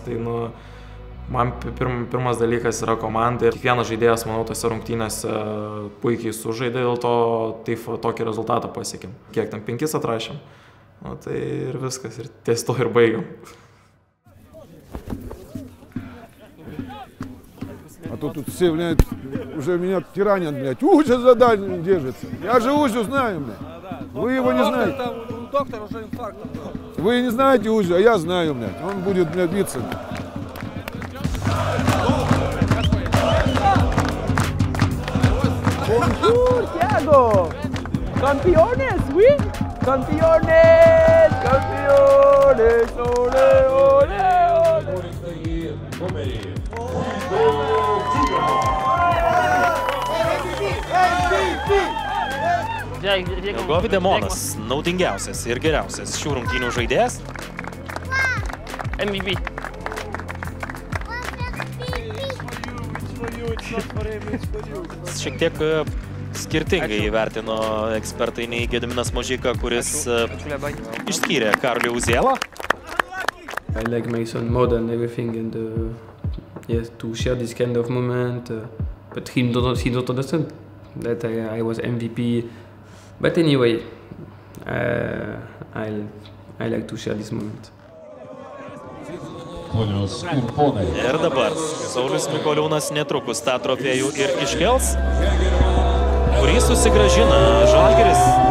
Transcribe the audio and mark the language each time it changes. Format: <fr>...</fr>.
<lt>Tai, nu, man pirmas dalykas yra komanda. Ir kiekvienas žaidėjas, manau, tose rungtynėse puikiai sužaidė, dėl to taip tokį rezultatą pasiekim. Kiek ten 5 atrašėm. O tai ir viskas, ir ties to ir baigiam.</lt> <ru>А то тут все, блядь, уже меня тиранят, блядь. Узя за дальним держится. Я же Узю знаю, блядь. Вы его не знаете. Доктор уже инфаркт. Вы не знаете Узю, а я знаю, блядь. Он будет, блядь, биться. Бонжур, Тиаго! Кампионес, вы?</ru> <es>Campeones! Campeones! Ole, ole, ole!</es> <lt>Ugovi Demonas, naudingiausias ir geriausias šių rungtynių žaidėjas.</lt> <en>MVP.</en> <lt>Šiek tiek skirtingai įvertino ekspertai nei Gediminas Mažyka, kuris išskyrė Karolį Uzielą.</lt> <en>I like Mason more than everything and yes, to share this kind of moment, but he don't understand that I was MVP. But anyway, I like to share this moment.</en> <lt>Ir dabar Saulius Mikoliūnas netrukus tą trofėjų ir iškels. Kurį susigražina Žalgiris.</lt>